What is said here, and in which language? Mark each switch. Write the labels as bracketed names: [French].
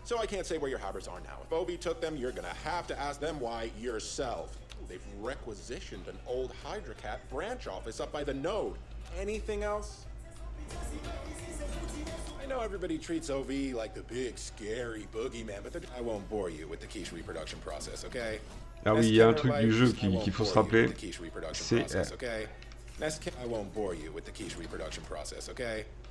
[English] So I can't say where your havers are now. If Obi took them, you're gonna have to ask them why yourself. They've requisitioned an old Hydrocat branch office up by the node. Anything else? I know everybody treats OV like the big scary boogeyman, but I won't bore you with the quiche reproduction process, okay? [French] Ah oui, il y a un truc du jeu qui faut se rappeler. C'est okay. [English] I won't bore you with the quiche reproduction process, okay?